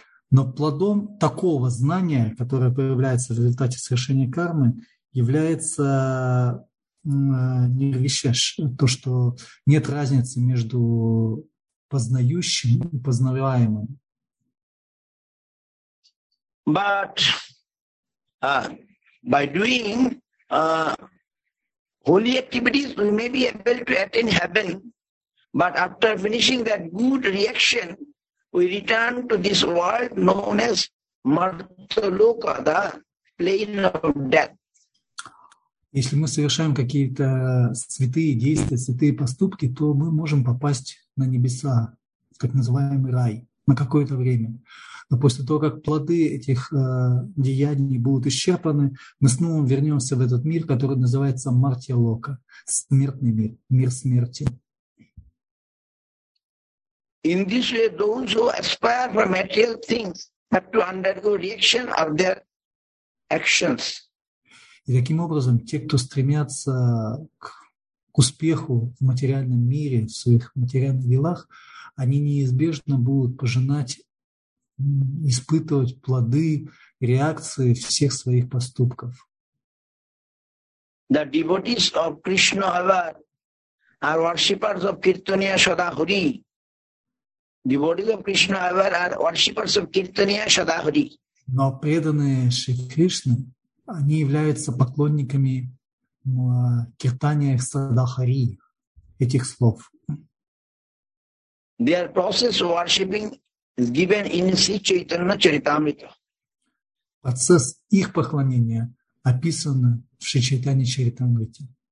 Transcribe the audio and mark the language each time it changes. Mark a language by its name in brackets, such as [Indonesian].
[Russian] Но плодом такого знания, которое появляется в результате совершения кармы, является нирвишеш, то, что нет разницы между познающим и познаваемым. [English] But by doing holy activities, we may be able to attain heaven, but after finishing that good reaction, we return to this world known as Martaloka, the plane of death. [Russian] Если мы совершаем какие-то святые действия, святые поступки, то мы можем попасть на небеса, в так называемый рай, на какое-то время. Но после того, как плоды этих деяний будут исчерпаны, мы снова вернемся в этот мир, который называется Мартья-лока, смертный мир, мир смерти. [English] In this way, those who aspire for material things have to undergo reaction of their actions. [Russian] И таким образом, те, кто стремятся к успеху в материальном мире, в своих материальных делах, они неизбежно будут пожинать, испытывать плоды, реакции всех своих поступков. [English] The devotees of Krishna, however, are worshippers of Kirtaniya Sadahuri. Devotees of Krishna, however, are worshippers of Kirtaniya Sadahuri. [Russian] Но преданные Шри Кришне, они являются поклонниками киртания Садахари, этих слов. [English] Their process of worshipping is given in Sri Chaitanya Charitamrita. [Russian] Процесс их поклонения описан в Шри Чайтанья Чаритамрите.